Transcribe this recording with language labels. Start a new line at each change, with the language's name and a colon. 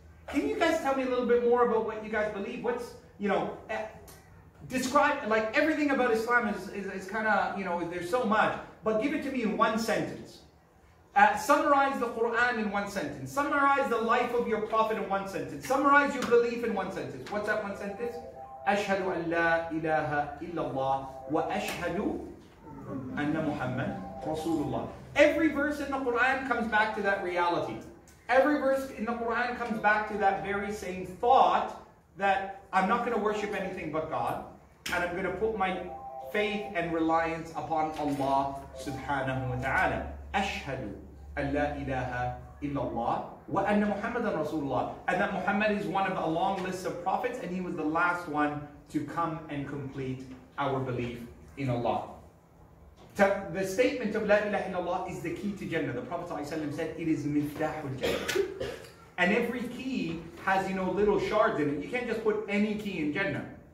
English: Can you guys tell me a little bit more about what you guys believe? What's, you know, describe, like everything about Islam is kind of, you know, there's so much. but give it to me in one sentence. Summarize the Quran in one sentence. Summarize the life of your Prophet in one sentence. Summarize your belief in one sentence. What's that one sentence?
Arabic: أشهد أن لا إله إلا الله وأشهد أن محمد رسول الله.
English: Every verse in the Quran comes back to that reality. Every verse in the Quran comes back to that very same thought that I'm not going to worship anything but God, and I'm going to put my faith and reliance upon Allah subhanahu wa ta'ala.
Arabic: أشهد أن لا إله إلا الله وأن محمد رسول الله.
English: And that Muhammad is one of a long list of prophets, and he was the last one to come and complete our belief in Allah. The statement of La ilaha illallah is the key to Jannah. The Prophet ﷺ said it is miftahul Jannah. And every key has, you know, little shards in it. You can't just put any key in Jannah.